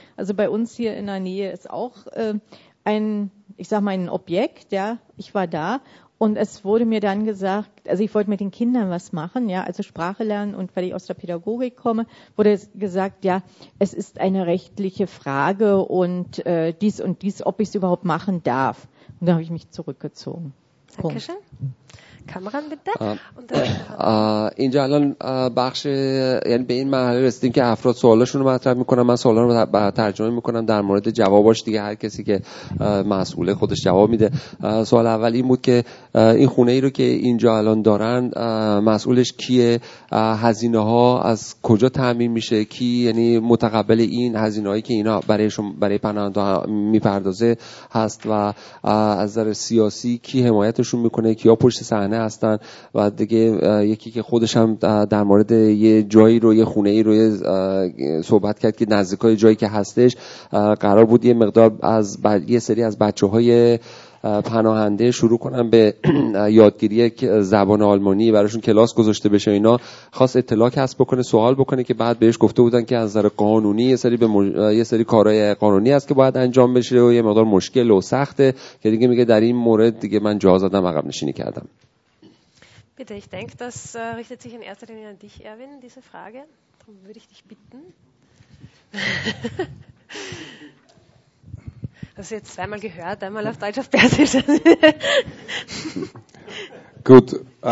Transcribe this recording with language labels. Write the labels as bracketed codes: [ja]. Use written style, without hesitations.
[de] Also bei uns hier in der Nähe ist auch ein Objekt, ja, ich war da und es wurde mir dann gesagt, also ich wollte mit den Kindern was machen, ja, also Sprache lernen, und weil ich aus der Pädagogik komme, wurde gesagt, ja, es ist eine rechtliche Frage und dies, ob ich es überhaupt machen darf. Und da habe ich mich zurückgezogen. Dankeschön. کامران [fa] بده. اینجا الان بخش، یعنی به این مرحله رسیدیم که افراد سوالاشون رو مطرح میکنن، من سوالا رو ترجمه میکنم در مورد جواباش، دیگه هر کسی که مسئوله خودش جواب میده. سوال اول این بود که این خونه ای رو که اینجا الان دارن مسئولش کیه، هزینه ها از کجا تامین میشه، کی یعنی متقبل این هزینه هایی که اینا برای پناهنده ها میپردازه هست، و از نظر سیاسی کی حمایتشون میکنه، کیا پشت صحنه هستن، و دیگه یکی که خودش هم در مورد یه جایی رو، یه خونه ای رو صحبت کرد که نزدیکای جایی که هستش قرار بود یه مقدار از یه سری از بچه های پناهنده شروع کنن به یادگیری زبان آلمانی، براشون کلاس گذاشته بشه، اینا خواست اطلاع کسب بکنه، سوال بکنه، که بعد بهش گفته بودن که از نظر قانونی یه سری کارهای قانونی هست که باید انجام بشه و یه مقدار مشکل و سخته، که دیگه میگه در این مورد دیگه من جا زدم، عقب نشینی کردم. [de] Bitte, ich denke, das richtet sich in erster Linie an dich, Erwin, diese Frage. Darum würde ich dich bitten. Das ist jetzt zweimal gehört, einmal auf Deutsch, auf Persisch. Gut.